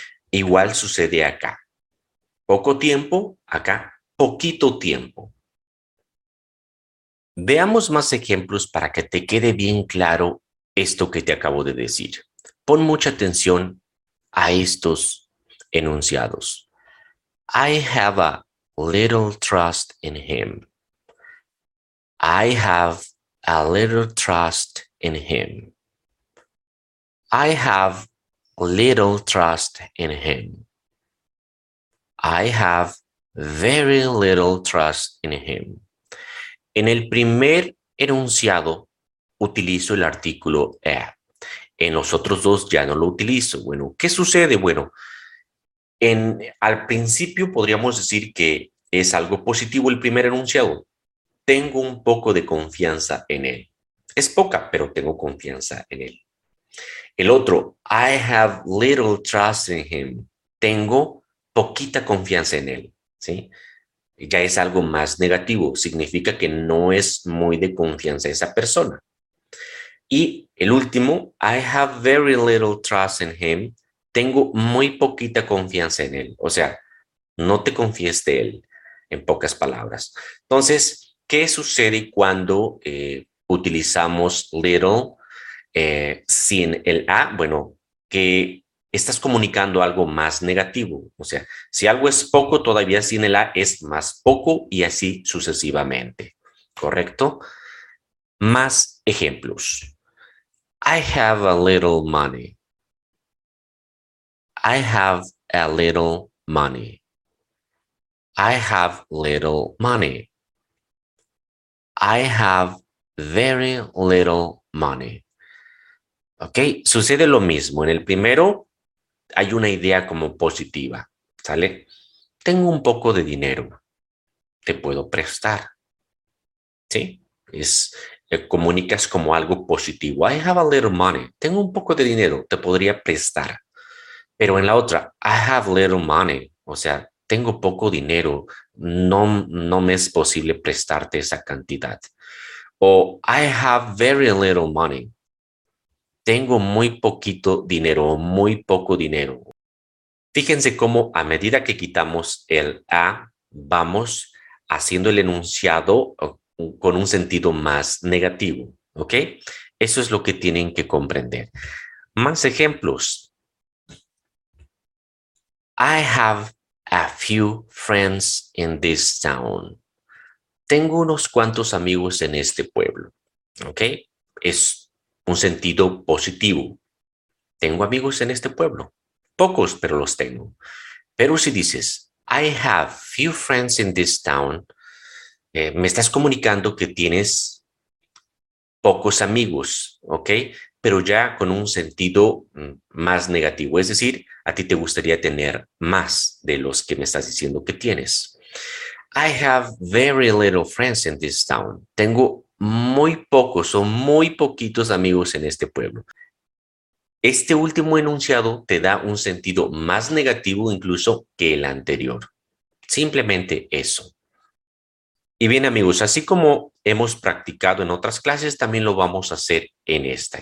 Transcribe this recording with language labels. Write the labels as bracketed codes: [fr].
[es] Igual sucede acá. Poco tiempo, acá, poquito tiempo. Veamos más ejemplos para que te quede bien claro esto que te acabo de decir. Pon mucha atención a estos enunciados. [en] I have a little trust in him. I have a little trust in him. I have a little trust in him. I have very little trust in him. [es] En el primer enunciado utilizo el artículo a. En los otros dos ya no lo utilizo. Bueno, ¿qué sucede? Bueno, al principio podríamos decir que es algo positivo el primer enunciado. Tengo un poco de confianza en él. Es poca, pero tengo confianza en él. El otro, [en] I have little trust in him. [es] Tengo poquita confianza en él, ¿sí? Ya es algo más negativo, significa que no es muy de confianza esa persona. Y el último, [en] I have very little trust in him. [es] Tengo muy poquita confianza en él. O sea, no te confíes de él, en pocas palabras. Entonces, ¿qué sucede cuando utilizamos little sin el a? Bueno, que estás comunicando algo más negativo. O sea, si algo es poco, todavía sin el a es más poco y así sucesivamente. ¿Correcto? Más ejemplos. [en] I have a little money. I have a little money. I have little money. I have very little money. [es] Ok, sucede lo mismo. En el primero hay una idea como positiva. ¿Sale? Tengo un poco de dinero. Te puedo prestar. ¿Sí? Comunicas como algo positivo. [en] I have a little money. [es] Tengo un poco de dinero. Te podría prestar. Pero en la otra, [en] I have little money. [es] O sea, tengo poco dinero. No me es posible prestarte esa cantidad. [en] O I have very little money. [es] Tengo muy poquito dinero o muy poco dinero. Fíjense cómo a medida que quitamos el a, vamos haciendo el enunciado con un sentido más negativo, ¿ok? Eso es lo que tienen que comprender. Más ejemplos. [en] Have a few friends in this town. [es] Tengo unos cuantos amigos en este pueblo, ¿ok? Es un sentido positivo. Tengo amigos en este pueblo. Pocos, pero los tengo. Pero si dices, [en] I have few friends in this town, [es] me estás comunicando que tienes pocos amigos, ¿ok? Pero ya con un sentido más negativo, es decir, a ti te gustaría tener más de los que me estás diciendo que tienes. [en] I have very little friends in this town. [es] Tengo muy pocos o muy poquitos amigos en este pueblo. Este último enunciado te da un sentido más negativo incluso que el anterior. Simplemente eso. Y bien amigos, así como hemos practicado en otras clases, también lo vamos a hacer en esta.